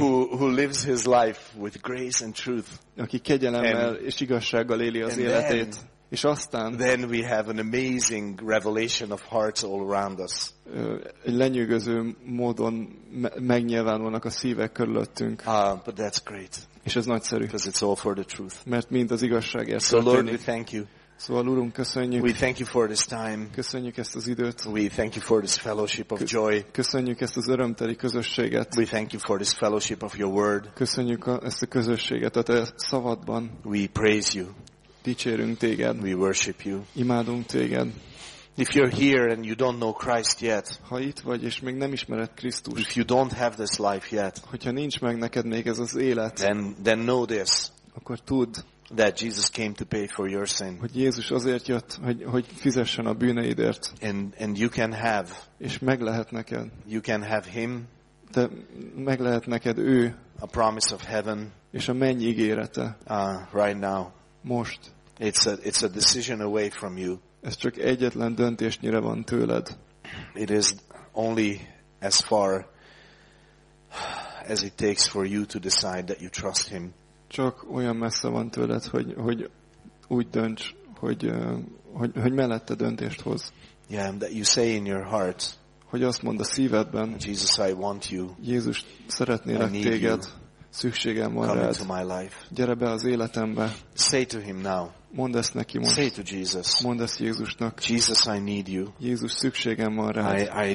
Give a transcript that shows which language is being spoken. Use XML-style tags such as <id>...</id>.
<en>Who lives his life with grace and truth.</en> <hu>Aki kegyelemmel és igazsággal éli az életét. És aztán</hu> <en>then we have an amazing revelation of hearts all around us.</en> <hu>Lenyűgöző módon megnyilvánulnak a szívek körülöttünk.</hu> <en>But that's great.</en> <hu>És ez nagyszerű.</hu> <en>Because it's all for the truth.</en> <hu>Mert mind az igazságért.</hu> <en>So Lord, we thank you.</en> <hu>Szóval Úrunk, köszönjük.</hu> <en>We thank you for this time.</en> <hu>Köszönjük ezt az időt.</hu> <en>We thank you for this fellowship of joy.</en> <hu>Köszönjük ezt az örömteli közösséget.</hu> <en>We thank you for this fellowship of your word.</en> <hu>Köszönjük ezt a közösséget a te szavadban.</hu> <en>We praise you.</en> <hu>Dicsérünk téged.</hu> <en>We worship you.</en> <hu>Imádunk téged.</hu> <en>If you're here and you don't know Christ yet.</en> <hu>Ha itt vagy és még nem ismered Krisztust.</hu> <en>If you don't have this life yet.</en> <hu>Hogyha nincs meg neked még ez az élet.</hu> <en>Then know this.</en> <hu>Akkor tudd.</hu> <en>That Jesus came to pay for your sin.</en> <hu>Hogy Jézus azért jött, hogy fizessen a bűneidért.</hu> <en>And you can have.</en> <hu>És meg lehet neked.</hu> <en>You can have him.</en> <hu>te meg lehet neked ő.</hu> <en>A promise of heaven.</en> <hu>És a menny ígérete.</hu> <en>Right now.</en> <hu>Most.</hu> <en>It's a decision away from you.</en> <hu>Ez csak egyetlen döntésnyire van tőled.</hu> <en>It is only as far as it takes for you to decide that you trust him.</en> <hu>Csak olyan messze van tőled, hogy úgy dönts, hogy mellette döntést hoz.</hu> <en>Yeah, and that you say in your heart.</en> <hu>Hogy azt mond a szívedben.</hu> <en>Jesus, I want you.</en> <hu>Jézus, szeretnélek téged. Szükségem van</hu> <en>Into my life.</en> <hu>Gyere be az életembe.</hu> <en>Say to him now.</en> <hu>Mondd ezt neki most.</hu> <en>Say to Jesus.</en> <hu>Mondd ezt Jézusnak.</hu> <en>Jesus, I need you.</en> <hu>Jézus, szükségem van rád.</hu>